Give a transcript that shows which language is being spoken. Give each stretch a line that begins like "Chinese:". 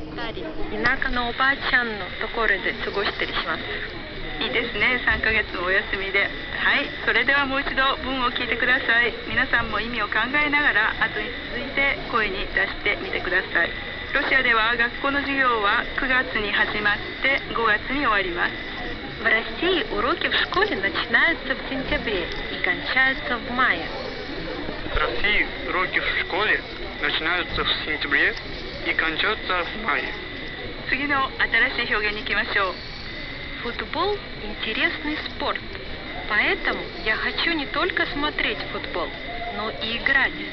Japanese: り田舎のおばあちゃんのところで過ごしたりします。いいですね、3ヶ月のお休みで。はい、それではもう一度文を聞いてください。皆さんも意味を考えながら後に続いて声に出してみてください。ロシアでは学校の授業は9月に始まって5月に終わります。
Russian: В России уроки в школе начинаются в сентябре и кончаются в мае. В России уроки в школе начинаются в сентябре и кончаются в мае.
Japanese: 次の新しい表現に行きましょう。
Russian: Футбол – интересный спорт. Поэтому я хочу не только смотреть футбол, но и играть.